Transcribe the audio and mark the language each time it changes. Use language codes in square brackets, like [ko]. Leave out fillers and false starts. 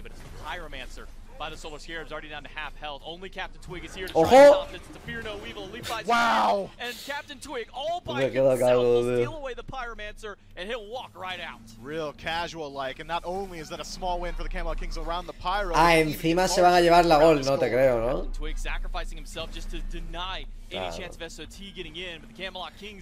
[en] But it's the Pyromancer by the Solar Scarabs already down to half health. Only Captain Twig is here to try to stop this. The Fear No Evil Leap by wow! And Captain Twig all by himself will steal away the Pyromancer, and he'll walk right out. Real casual-like, and not only is that a small win for the Camelot Kings around the Pyro... [es] Ah, encima se van a llevar la gol, no te creo, ¿no? [en] Captain Twig sacrificing himself just to deny any chance of SOT getting in, but the Camelot Kings...